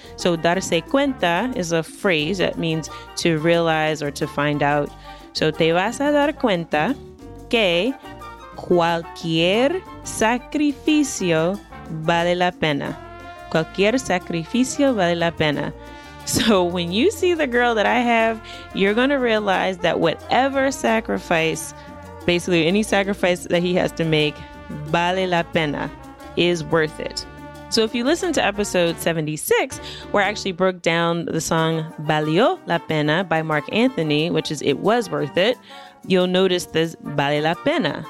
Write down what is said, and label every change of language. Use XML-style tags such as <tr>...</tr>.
<en>So</en> <es>darse cuenta</es> <en>is a phrase that means to realize or to find out.</en> <es>So te vas a dar cuenta que cualquier sacrificio vale la pena. Cualquier sacrificio vale la pena.</es> <en>So when you see the girl that I have, you're going to realize that whatever sacrifice, basically any sacrifice that he has to make,</en> <es>vale la pena,</es> <en>is worth it. So if you listen to episode 76, where I actually broke down the song Valió la Pena by Marc Anthony, which is It Was Worth It, you'll notice this</en> <es>vale la pena.</es>